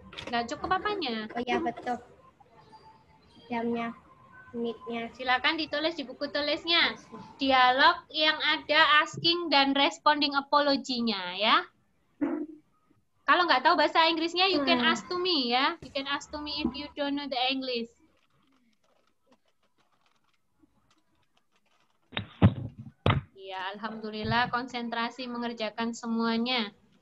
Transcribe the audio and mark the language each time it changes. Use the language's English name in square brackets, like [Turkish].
[Indonesian] Gak cukup apanya? Oh iya, betul. Jamnya. Meet-nya. Silakan ditulis di buku tulisnya. Dialog yang ada [English] asking [Indonesian] dan [English] responding [Indonesian] apology-nya ya. Kalau nggak tahu bahasa Inggrisnya, [English] you can ask to me [Indonesian] ya. [English] You can ask to me if you don't know the English. [Indonesian] Ya, alhamdulillah konsentrasi mengerjakan semuanya.